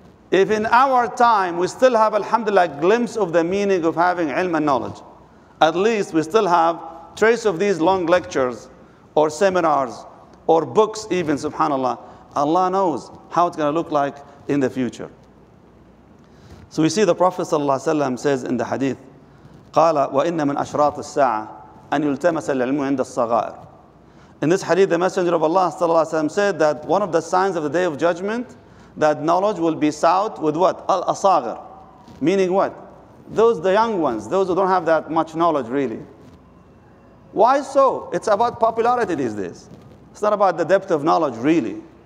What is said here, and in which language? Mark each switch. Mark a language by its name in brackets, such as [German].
[English] If in our time we still have, alhamdulillah, a glimpse of the meaning of having ilm and knowledge, at least we still have trace of these long lectures or seminars or books even, subhanAllah. Allah knows how it's gonna look like in the future. So we see the Prophet ﷺ says in the hadith, [Arabic] قَالَ وَإِنَّ مِنْ أَشْرَاطِ السَّاعَةِ أَنْ يُلْتَمَسَ الْعِلْمُ عِنْدَ الصَّغَائِرِ. [English] In this hadith, the Messenger of Allah ﷺ said that one of the signs of the Day of Judgment, that knowledge will be sought with what? Al-asagir. Meaning what? Those the young ones, those who don't have that much knowledge really. Why so? It's about popularity these days. It's not about the depth of knowledge really.